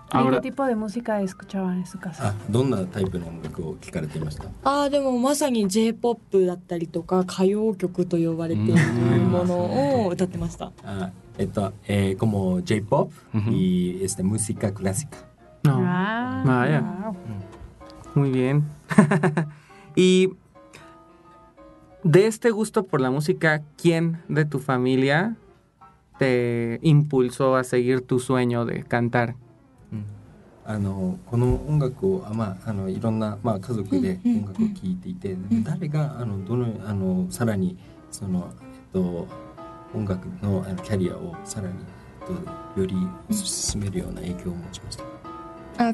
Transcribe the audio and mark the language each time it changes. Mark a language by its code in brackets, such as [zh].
[es] ¿Qué tipo de música escuchaban en su casa? ¿Dónde tipo de música escuchaban en su casa? [ja] でもまさに J-POP だったりとか歌謡曲と呼ばれているものを歌ってました。 [es] como J-POP y música clásica. Vaya. Muy bien. Y de este gusto por la música, ¿quién de tu familia te impulsó a seguir tu sueño de cantar? [ja] この音楽を、いろんな、家族で音楽を聴いていて、誰がさらにその、音楽 の, キャリアをさらに、より進めるような影響を持ちました。